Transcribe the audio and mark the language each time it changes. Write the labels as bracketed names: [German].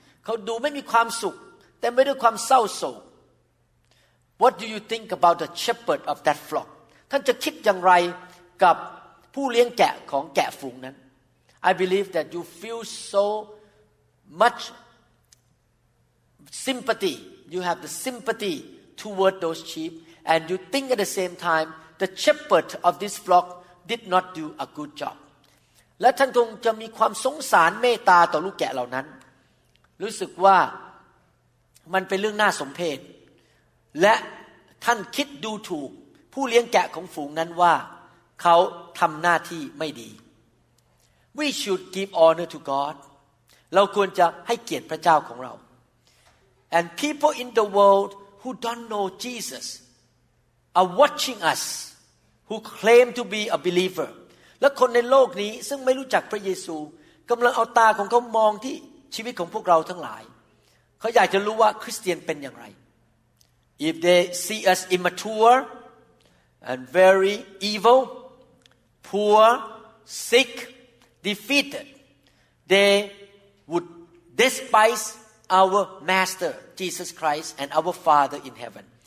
[Thai] เขาดูไม่มีความสุขแต่ไม่ด้วยความเศร้าโศก [English] What do you think about the shepherd of that flock? [Thai] ท่านจะคิดอย่างไรกับผู้เลี้ยงแกะของแกะฝูงนั้น [English] I believe that you feel so much sympathy. You have the sympathy toward those sheep, and you think at the same time. The shepherd of this flock did not do a good job. [Thai] และท่านคงจะมีความสงสารเมตตาต่อลูกแกะเหล่านั้นรู้สึกว่ามันเป็นเรื่องน่าสมเพชและท่านคิดดูถูกผู้เลี้ยงแกะของฝูงนั้นว่าเขาทำหน้าที่ไม่ดี [English] We should give honor to God. [Thai] เราควรจะให้เกียรติพระเจ้าของเรา [English] And people in the world who don't know Jesus. Are watching us who claim to be a believer. [Thai] และคนในโลกนี้ซึ่งไม่รู้จักพระเยซูกำลังเอาตาของเขามองที่ชีวิตของพวกเราทั้งหลายเขาอยากจะรู้ว่าคริสเตียนเป็นอย่างไร [English] If they see us immature and very evil, poor, sick, defeated, they would despise our Master Jesus Christ and our Father in heaven.